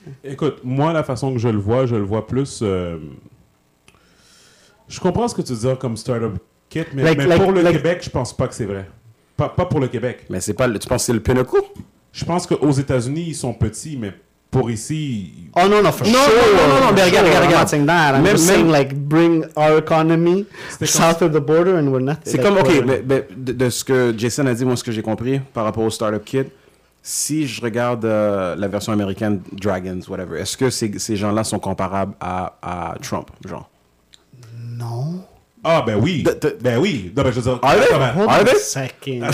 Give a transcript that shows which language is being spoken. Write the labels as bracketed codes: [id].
[fr] Écoute, moi, la façon que je le vois plus... je comprends ce que tu veux dire comme startup kit, mais pour le Québec, je pense pas que c'est vrai. Pas pour le Québec. Mais c'est pas... Tu penses que c'est le pinnacle? Je pense qu'aux États-Unis, ils sont petits, mais... Pour ici... Oh non, non, Regarde. [en] I'm just saying, like, bring our economy south of the border and we're nothing. [fr] C'est like, comme, OK, mais de ce que Jason a dit, moi, ce que j'ai compris par rapport au Startup Kit, si je regarde la version américaine, Dragons, whatever, est-ce que ces gens-là sont comparables à Trump, genre? Non. Ah, ben oui. Ben oui. Non, ben, je veux dire...